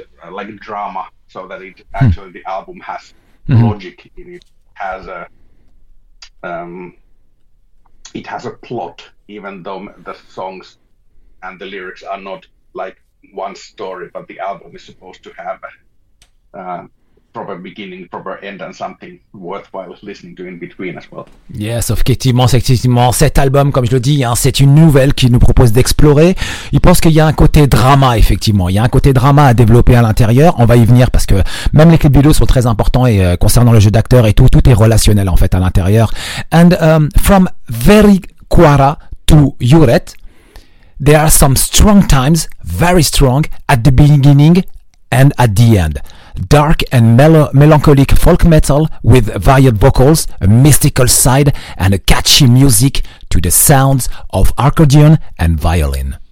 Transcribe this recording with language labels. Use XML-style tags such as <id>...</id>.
<en>like a drama, so that it actually the album has logic in it, has a it has a plot, even though the songs and the lyrics are not like one story, but the album is supposed to have proper beginning, proper end, and something worthwhile listening to in between as well.</en> <fr>Yes, effectivement, cet album, comme je le dis, hein, c'est une nouvelle qui nous propose d'explorer. Il pense qu'il y a un côté drama, effectivement. Il y a un côté drama à développer à l'intérieur. On va y venir parce que même les clips vidéo sont très importants et concernant le jeu d'acteur et tout est relationnel en fait à l'intérieur.</fr> <en>And from Veriquara to Juret, there are some strong times, very strong, at the beginning and at the end. Dark and melancholic folk metal with varied vocals, a mystical side, and a catchy music to the sounds of accordion and violin.</en>